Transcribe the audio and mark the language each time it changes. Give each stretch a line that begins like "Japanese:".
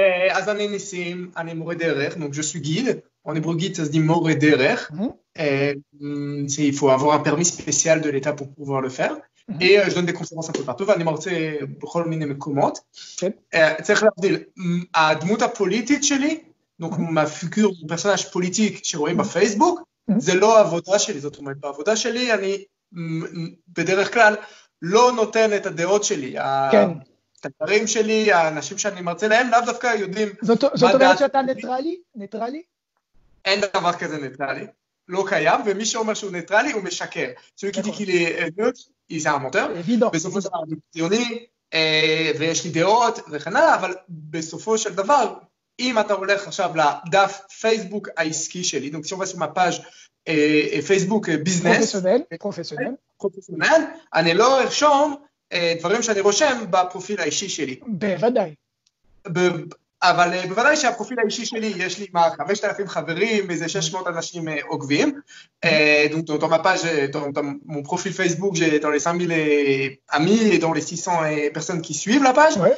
Hebrew: אז אני ניסים, אני מורה דרך,
French: donc je suis guide. En hébreu guide, ça se dit מורה דרך. Il faut avoir un permis spécial de l'État pour pouvoir le faire. Et je donne des conférences un peu partout.
Hebrew: ואני מרצה בכל מיני מקומות. צריך להבדיל, הדמות הפוליטית שלי,
French: donc ma figure, mon personnage politique
Hebrew: שרואים בפייסבוק, זה לא העבודה שלי. זאת אומרת, בעבודה שלי אני בדרך כלל לא נותן את הדעות שלי. כן. התדרים שלי, האנשים שאני מרצה להם, לאו דווקא יודעים זאת מה אומרת דעת. שאתה ניטרלי? ניטרלי? אין דבר כזה ניטרלי, לא קיים, ומי שאומר שהוא ניטרלי הוא משקר.
French: celui qui dit D'accord. qu'il est neutre, il est un menteur. Évident,
Hebrew: בסופו של דבר אני ציוני, ויש לי דעות וכן הלאה, אבל בסופו של דבר, אם אתה הולך עכשיו לדף פייסבוק העסקי שלי,
French: donc si on va sur ma page
Hebrew: פייסבוק ביזנס,
French: Professionnel, professionnel.
Hebrew: פרופסיונל, אני לא ארשום דברים שאני רושם בפרופיל האישי שלי. בוודאי. אבל בוודאי שהפרופיל האישי שלי, יש לי מה 5,000 חברים, איזה 600 אנשים עוקבים.
French: Donc dans ma page, dans mon profil Facebook, j'ai dans les 5 000 amis et dans les 600 personnes qui suivent la page.